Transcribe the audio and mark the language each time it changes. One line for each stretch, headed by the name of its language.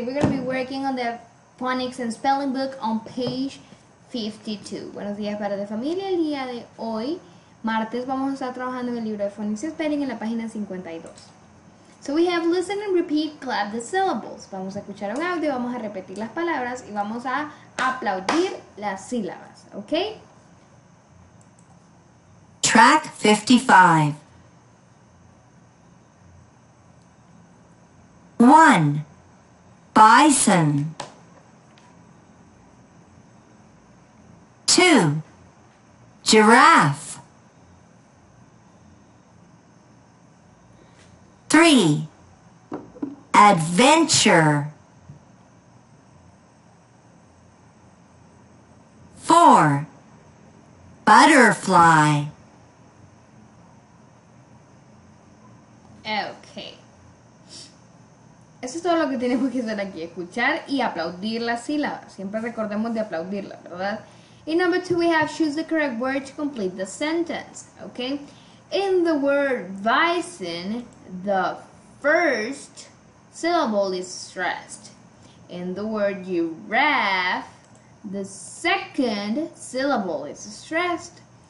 English: We're going to be working on the Phonics and Spelling book on page 52.
Spanish: Buenos días para la familia. El día de hoy, martes, vamos a estar trabajando en el libro de Phonics and Spelling en la página 52.
English: So we have listen and repeat, clap the syllables.
Spanish: Vamos a escuchar un audio, vamos a repetir las palabras y vamos a aplaudir las sílabas, ¿ok?
English: Track 55. 1. Bison. 2. Giraffe. 3. Adventure. 4. Butterfly. Okay.
Spanish: Eso es todo lo que tenemos que hacer aquí, escuchar y aplaudir las sílabas. Siempre recordemos de aplaudirlas, ¿verdad?
English: In number two, we have choose the correct word to complete the sentence, okay? In the word bison, the first syllable is stressed. In the word giraffe, the second syllable is stressed.